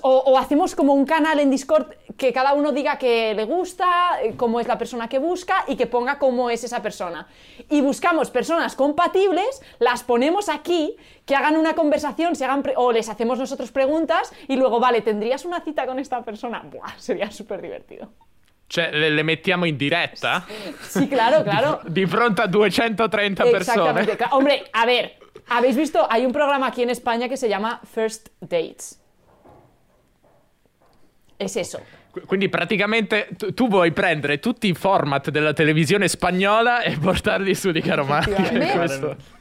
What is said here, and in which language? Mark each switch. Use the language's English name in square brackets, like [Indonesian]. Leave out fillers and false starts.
[Spanish] O hacemos como un canal en Discord que cada uno diga que le gusta, cómo es la persona que busca y que ponga cómo es esa persona. Y buscamos personas compatibles, las ponemos aquí, que hagan una conversación, se hagan o les hacemos nosotros preguntas y luego, vale, ¿tendrías una cita con esta persona? ¡Buah! Sería súper divertido. [Italian] Cioè, le mettiamo in diretta? [Spanish] Sí, claro, claro. [Italian] Di fronte a 230 [Spanish] exactamente, [Italian] persone. [Spanish] Claro. Hombre, a ver, ¿habéis visto? Hay un programa aquí en España que se llama First Dates. Es eso. [Italian] Quindi praticamente tu vuoi prendere tutti i format della televisione spagnola e portarli su Liga Romantica.